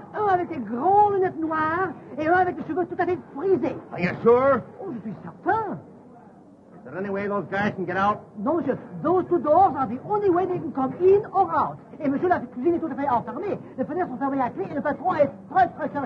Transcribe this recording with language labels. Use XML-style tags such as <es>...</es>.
<fr>Un avec des grands lunettes noires et un avec des cheveux tout à fait frisés.</fr> <en>Are you sure?</en> <fr>Oh, je suis certain.</fr> <en>Is there any way those guys can get out?</en> <fr>Non, monsieur.</fr> <en>Those two doors are the only way they can come in or out.</en> <fr>Et monsieur, la cuisine est tout à fait enfermée. Les fenêtres sont fermées à clé et le patron est très, très cher.</fr>